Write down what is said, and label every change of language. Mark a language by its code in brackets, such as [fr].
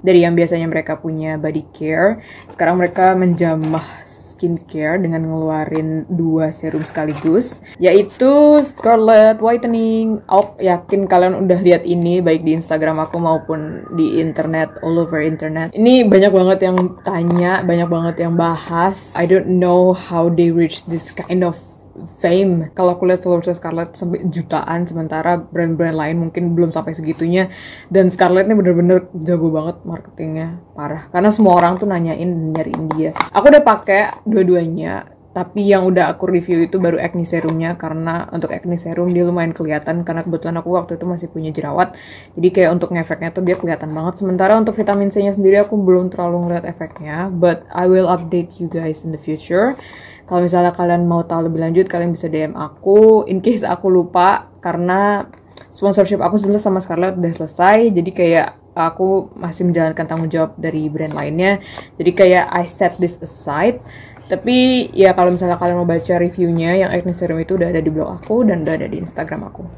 [id] Dari yang biasanya mereka punya body care. Sekarang mereka menjamah skincare dengan ngeluarin dua serum sekaligus, yaitu Scarlet Whitening. Oh, yakin kalian udah lihat ini baik di Instagram aku maupun di internet, [en] all over internet. [id] Ini banyak banget yang tanya, banyak banget yang bahas. [en] I don't know how they reach this kind of fame. [id] Kalau aku lihat followersnya Scarlett sampai jutaan, sementara brand-brand lain mungkin belum sampai segitunya. Dan Scarlett ini bener-bener jago banget marketingnya, parah. Karena semua orang tuh nanyain, nyariin dia. Aku udah pakai dua-duanya, tapi yang udah aku review itu baru acne serumnya. Karena untuk acne serum dia lumayan kelihatan, karena kebetulan aku waktu itu masih punya jerawat. Jadi kayak untuk ngefeknya tuh dia kelihatan banget. Sementara untuk vitamin C-nya sendiri aku belum terlalu ngeliat efeknya. [en] But I will update you guys in the future. [id] Kalau misalnya kalian mau tahu lebih lanjut, kalian bisa DM aku. [en] In case [id] aku lupa, karena sponsorship aku sebenarnya sama Scarlett udah selesai. Jadi kayak aku masih menjalankan tanggung jawab dari brand lainnya. Jadi kayak [en] I set this aside. [id] Tapi ya kalau misalnya kalian mau baca reviewnya, yang acne serum itu udah ada di blog aku dan udah ada di Instagram aku.